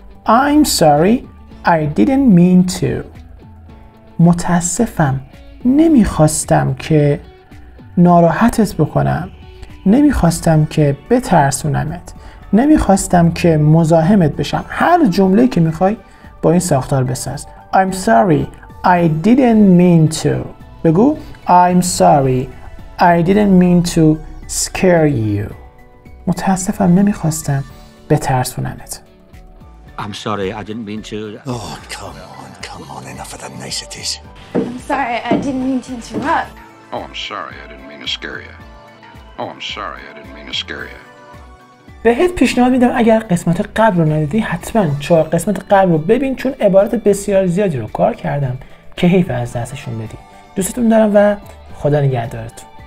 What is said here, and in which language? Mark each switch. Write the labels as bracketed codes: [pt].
[en] I'm sorry. I didn't mean to. [fa] متاسفم. نمیخواستم که ناراحتت بکنم. نمیخواستم که بترسونمت. نمیخواستم که مزاحمت بشم. هر جمله که میخوای با این ساختار بساز. [en] I'm sorry. I didn't mean to. [fa] بگو [en] I'm sorry. I didn't mean to scare you. [fa] متاسفم. نمیخواستم بترسونمت. [en] I'm sorry, I didn't mean to. Oh, come on, enough of the niceties. I'm sorry, I didn't mean to interrupt. Oh, I'm sorry, I didn't mean to scare you. [fa] بهت پیشنهاد میدم اگر قسمت قبل رو ندیدی حتما 4 قسمت قبل رو ببین، چون عبارات بسیار زیادی رو کار کردم که حیف از دستشون بدی. دوستتون دارم و خدا نگهدارتون.